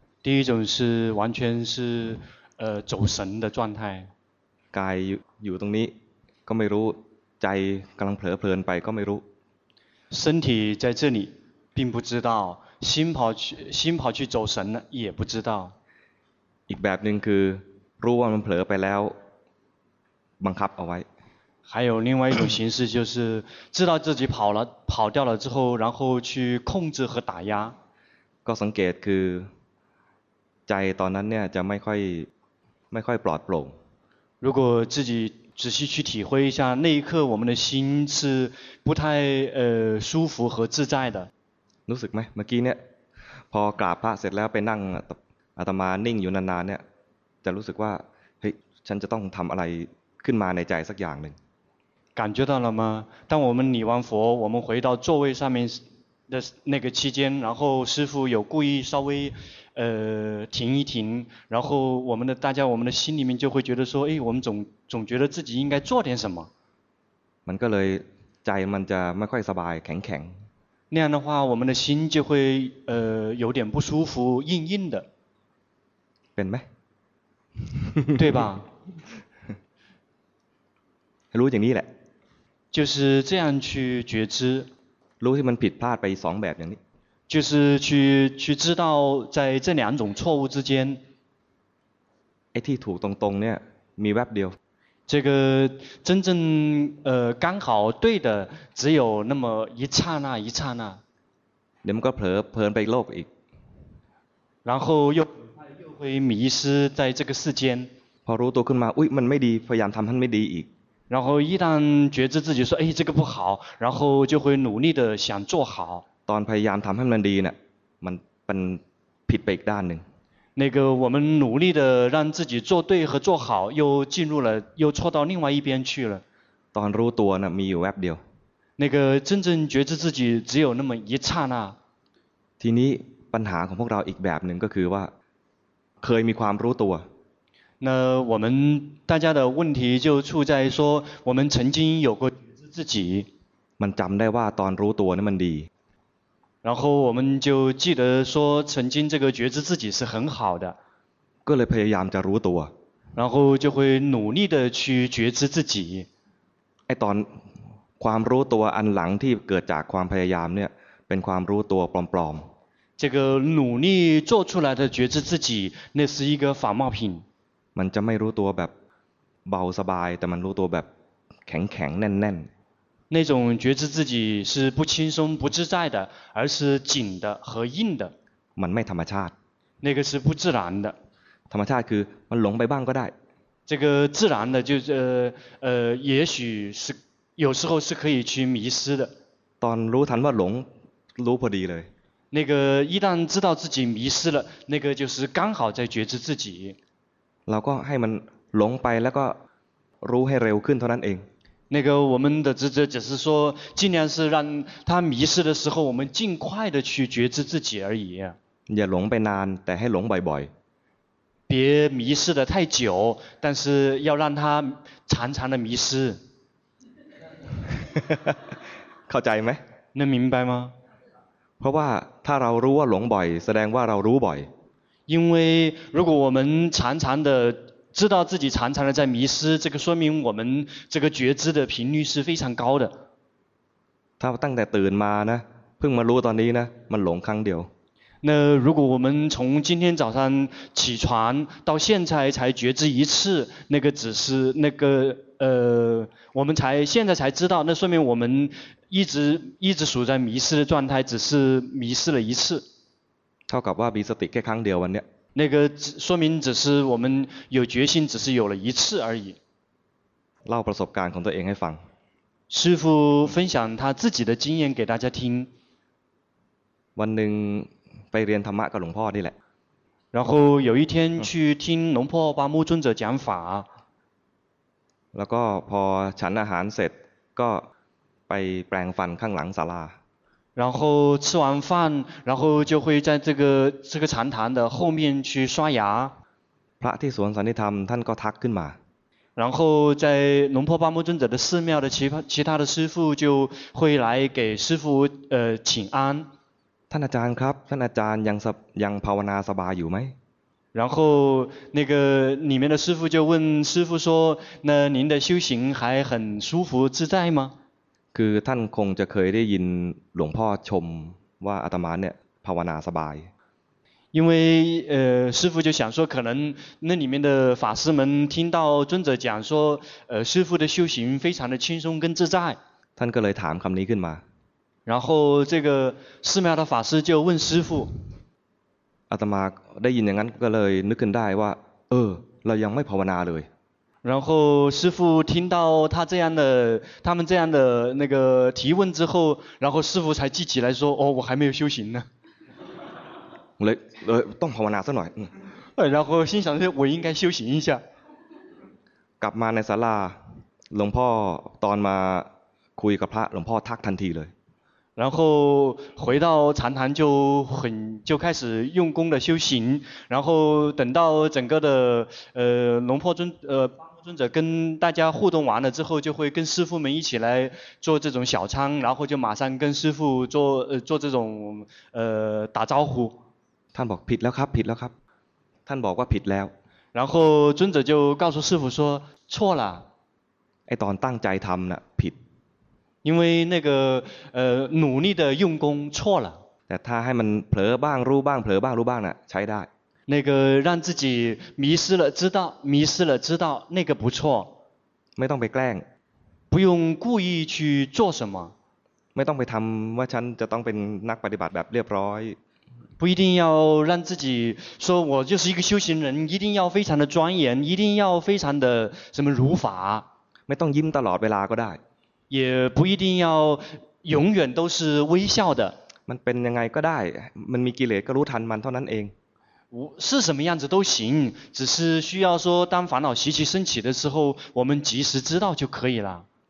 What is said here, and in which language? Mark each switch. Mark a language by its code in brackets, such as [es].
[zh] 第一种是完全是走神的状态。 [th] กายอยู่ตรงนี้ก็ไม่รู้ใจกำลังเพลินไปก็ไม่รู้ [zh] 身体在这里并不知道心跑去走神了也不知道 [th] อีกแบบหนึ่งคือรู้ว่ามันเผลอไปแล้วบังคับเอาไว้ [zh] 还有另外一种形式就是知道自己跑了跑掉了之后然后去控制和打压 [th] ก็สังเกตคือใจตอนนั้นเนี่ยจะไม่ค่อยปลอดโปร่ง [zh] 如果自己仔细去体会一下那一刻我们的心是不太舒服和自在的 [th] รู้สึกไหมเมื่อกี้เนี่ยพอกราบพระเสร็จแล้วไปนั่งอาตมานิ่งอยู่นานๆเนี่ยจะรู้สึกว่าเฮ้ยฉันจะต้องทำอะไรขึ้นมาในใจสักอย่างหนึ่ง [zh] 感觉到了吗当我们礼完佛我们回到座位上面的那个期间然后师父有故意稍微停一停然后我们的大家我们的心里面就会觉得说哎我们总觉得自己应该做点什么 [th] มันก็เลยใจมันจะไม่ค่อยสบายแข็ง [zh] ๆ那样的话我们的心就会有点不舒服硬硬的 [th] เป็นไหม [zh] 对吧 [th] รู้อย่างนี้แหละ [zh] 就是这样去觉知 [th] รู้ที่มันผิดพลาดไปสองแบบอย่างนี้ [zh] 就是去知道在这两种错误之间 [th] ไอ้ที่ถูกตรงๆเนี่ยมีแวบเดียว [zh] 这个真正刚好对的只有那么一刹那一刹那 [th] เดี๋ยวมันก็เพลินไปโลกอีก [zh] 然后又会迷失在这个世间 [th] พอรู้ตัวขึ้นมาอุ๊ยมันไม่ดีพยายามทำให้ไม่ดีอีก [zh] 然后一旦觉知自己说哎这个不好然后就会努力的想做好 [th] ตอนพยายามทำให้มันดีเนี่ยมันผิดไปอีกด้านหนึ่ง [zh] 那个我们努力的让自己做对和做好又进入了又错到另外一边去了 [th] ตอนรู้ตัวเนี่ยมีอยู่แวบเดียว [zh] 那个真正觉知自己只有那么一刹那 [th] ทีนี้ปัญหาของพวกเราอีกแบบหนึ่งก็คือว่าเคยมีความรู้ตัว [zh] 那我们大家的问题就处在说我们曾经有过觉知自己 [th] มันจำได้ว่าตอนรู้ตัวนี่มันดี [zh] 然后我们就记得说曾经这个觉知自己是很好的 [th] ก็เลยพยายามจะรู้ตัว [zh] 然后就会努力的去觉知自己 [th] ไอตอนความรู้ตัวอันหลังที่เกิดจากความพยายามเนี่ยเป็นความรู้ตัวปลอม [zh] ๆ这个努力做出来的觉知自己那是一个仿冒品 [th] มันจะไม่รู้ตัวแบบเบาสบายแต่มันรู้ตัวแบบแข็งแน่น [zh] ๆ那种觉知自己是不轻松不自在的而是紧的和硬的 [th] มันไม่ธรรมชาติ [zh] 那个是不自然的 [th] ธรรมชาติคือมันหลงไปบ้างก็ได้ [zh] 这个自然的就也许是有时候是可以去迷失的 [th] ตอนรู้ทันว่าหลงรู้พอดีเลย [zh] 那个一旦知道自己迷失了那个就是刚好在觉知自己 [th] เราก็ให้มันหลงไปแล้วก็รู้ให้เร็วขึ้นเท่านั้นเอง [zh] 那个我们的职责只是说尽量是让他迷失的时候我们尽快的去觉知自己而已 [th] อย่าหลงไปนานแต่ให้หลงบ่อย [zh] ๆ别迷失的太久但是要让他常常的迷失 [th] เข้าใจไหม [zh] 能明白吗 [th] เพราะว่าถ้าเรารู้ว่าหลงบ่อยแสดงว่าเรารู้บ่อย [zh] 因为如果我们常常的知道自己常常的在迷失，这个说明我们这个觉知的频率是非常高的。 [th] ถ้าตั้งแต่ตื่นมานะเพิ่งมารู้ตอนนี้นะมันหลงครั้งเดียว。 [zh] 那如果我们从今天早上起床到现在才觉知一次，那个只是那个我们才现在才知道，那说明我们一直处在迷失的状态，只是迷失了一次。 [th] เท่ากับว่ามีสติแค่ครั้งเดียววันเนี้ย [zh] 那个说明只是我们有决心只是有了一次而已 [th] เล่าประสบการณ์ของตัวเองให้ฟัง [zh] 师父分享他自己的经验给大家听 [th] วันหนึ่งไปเรียนธรรมะกับหลวงพ่อนี่แหละ [zh] 然后有一天去听龙破巴木尊者讲法 [th] แล้วก็พอฉันอาหารเสร็จก็ไปแปรงฟันข้างหลังศาลา [zh] 然后吃完饭，然后就会在这个禅堂的后面去刷牙。 [th] พระที่สวนสันติธรรมท่านก็ทักขึ้นมา [zh] 然后在龙婆巴木尊者的寺庙的其他的师父就会来给师父请安 [th] ท่านอาจารย์ครับท่านอาจารย์ยังภาวนาสบายอยู่ไหม [zh] 然后那个里面的师父就问师父说那您的修行还很舒服自在吗 [th] คือท่านคงจะเคยได้ยินหลวงพ่อชมว่าอาตมาเนี่ยภาวนาสบาย [zh] 因为师父就想说可能那里面的法师们听到尊者讲说师父的修行非常的轻松跟自在 [th] ท่านก็เลยถามคำนี้ขึ้นมา [zh] 然后这个寺庙的法师就问师父 [th] อาตมาได้ยินอย่างนั้นก็เลยนึกขึ้นได้ว่าเออเรายังไม่ภาวนาเลย [zh] 然后师父听到他们这样的那个提问之后然后师父才记起来说哦我还没有修行呢 [th] เลยต้องภาวนาสักหน่อย [zh] 然后心想我应该修行一下 [th] กลับมาในศาลาหลวงพ่อตอนมาคุยกับพระหลวงพ่อทักทันทีเลย [zh] 然后回到禅堂就开始用功的修行然后等到整个的龙婆尊巴木尊者跟大家互动完了之后就会跟师父们一起来做这种小餐然后就马上跟师父做这种打招呼 [th] ท่านบอกผิดแล้วครับผิดแล้วครับท่านบอกว่าผิดแล้ว [zh] 然后尊者就告诉师父说错了 [th] ไอ้ตอนตั้งใจทำน่ะผิด [zh] 因为那个努力的用功错了 [th] แต่ถ้าให้มันเผลอบ้างรู้บ้างเผลอบ้างรู้บ้างน่ะใช้ได้ [zh] 那个让自己迷失了知道那个不错 [th] ไม่ต้องไปแกล้ง [zh] 不用故意去做什么 [th] ไม่ต้องไปทำว่าฉันจะต้องเป็นนักปฏิบัติแบบเรียบร้อย [zh] 不一定要让自己说我就是一个修行人一定要非常的庄严一定要非常的什么如法 [th] ไม่ต้องยิ้มตลอดเวลาก็ได้ [zh] 也不一定要永远都是微笑的 [th] มันเป็นยังไงก็ได้มันมีกิเลสก็รู้ทันมันเท่านั้นเอง [zh] 是什么样子都行只是需要说当烦恼习气升起的时候我们及时知道就可以了